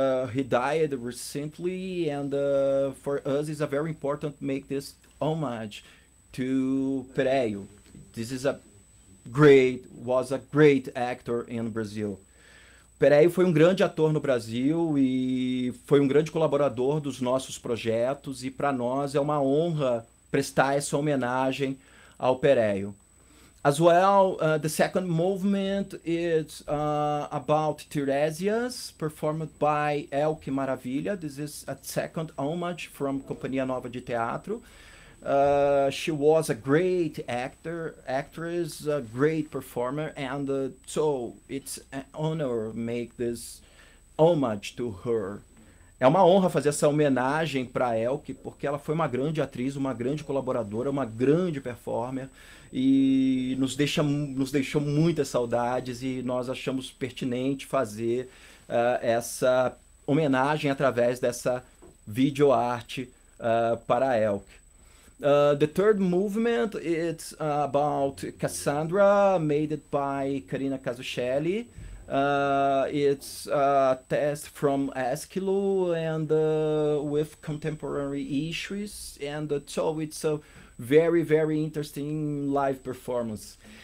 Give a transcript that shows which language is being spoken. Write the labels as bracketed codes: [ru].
[en] He died recently, and for us it's a very important to make this homage to Pereio. This is a great, was a great actor in Brazil. [pt] Pereio foi um grande ator no Brasil e foi um grande colaborador dos nossos projetos, e para nós é uma honra prestar essa homenagem ao Pereio. [en] As well, the second movement is about Tiresias, performed by Elke Maravilha. This is a second homage from Companhia Nova de Teatro. She was a great actor, actress, a great performer, and so it's an honor make this homage to her. [pt] É uma honra fazer essa homenagem para Elke, porque ela foi uma grande atriz, uma grande colaboradora, uma grande performer, e nos deixou muitas saudades, e nós achamos pertinente fazer essa homenagem através dessa videoarte para Elke. [en] The third movement, it's about Cassandra, made by Karina Casuscelli. It's a text from Aeschylus and with contemporary issues, and so it's a very, very interesting live performance.